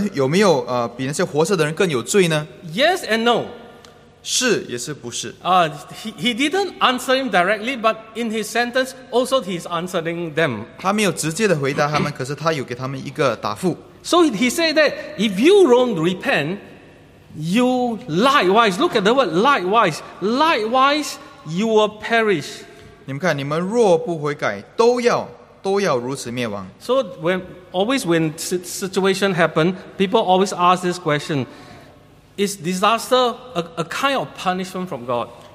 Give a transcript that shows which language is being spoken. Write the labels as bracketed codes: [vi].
[zh] 这些死的人有没有比那些活着的人更有罪呢？ [en] Yes and no. [zh] 是也是不是？ [en] He didn't answer him directly, but in his sentence, also he's answering them. [zh] 他没有直接的回答他们，可是他有给他们一个答复。 [en] So he said that if you don't repent, you likewise, look at the word likewise, likewise you will perish. [zh] 你们看，你们若不悔改，都要如此灭亡。 [en] So when situation happen, people always ask this question: is disaster a kind of punishment from God?